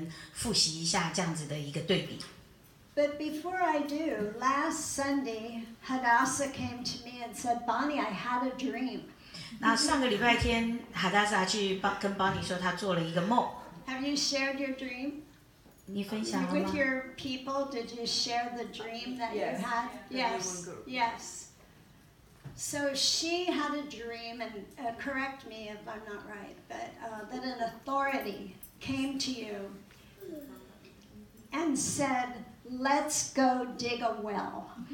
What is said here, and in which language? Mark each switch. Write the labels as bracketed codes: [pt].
[zh] 我现在想先跟你们复习一下这样子的一个对比。 [en] But before I do, last Sunday, Hadassah came to me and said, Bonnie, I had a dream. [zh] 那上个礼拜天, Hadassah 去跟 Bonnie 说她做了一个梦。 [en] Have you shared your dream? [zh] 你分享了吗? [en] With your people, did you share the dream that yes. you had? Yes, yes. So she had a dream, and correct me if I'm not right, but that an authority came to you and said, Let's go dig a well.